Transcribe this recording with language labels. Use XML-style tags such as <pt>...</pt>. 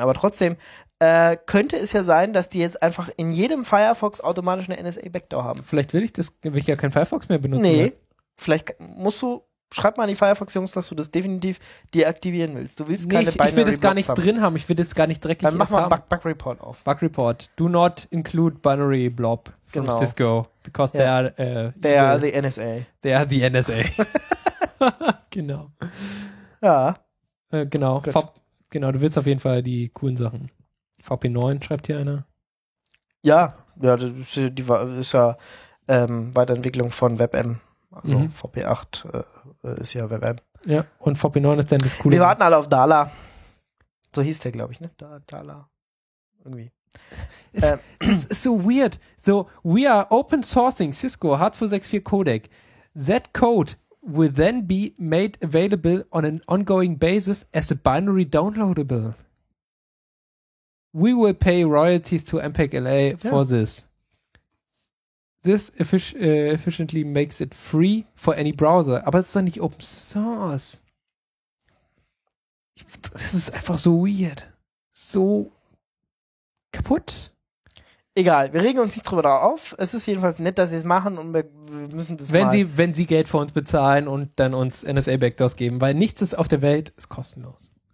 <de>Aber trotzdem könnte es ja sein, dass die jetzt einfach in jedem Firefox automatisch eine NSA-Backdoor haben. Vielleicht will ich ja kein Firefox mehr benutzen. Nee, mehr. Vielleicht musst du, schreib mal an die Firefox-Jungs, dass du das definitiv deaktivieren willst. Du willst keine Binary-Blobs haben. Ich will das gar nicht drin haben. Ich will das gar nicht dreckig haben. Dann mach mal Bug-Report auf. Bug-Report.</de> <en>Do not include Binary-Blob. From Cisco, because they are the NSA. They are the NSA.</en> <de>Genau. Ja. Genau. Genau, du willst auf jeden Fall die coolen Sachen. VP9 schreibt hier einer. Ja, ja, das ist ja Weiterentwicklung von WebM. Also VP8 ist ja WebM. Ja, und VP9 ist dann das coole. Wir warten alle auf Dala. So hieß der, glaube ich, ne? Dala. Irgendwie. Es ist so weird.</de> <en>So, we are open sourcing Cisco H264 Codec. That code will then be made available on an ongoing basis as a binary downloadable. We will pay royalties to MPEG-LA for this. This efficiently makes it free for any browser.</en> <de>Aber es ist doch nicht open source. Es ist einfach so weird. So kaputt. Egal, wir regen uns nicht drüber drauf auf. Es ist jedenfalls nett, dass sie es machen und wir müssen das wenn mal... Wenn sie Geld für uns bezahlen und dann uns NSA-Backdoors geben, weil nichts ist auf der Welt, ist kostenlos.</de>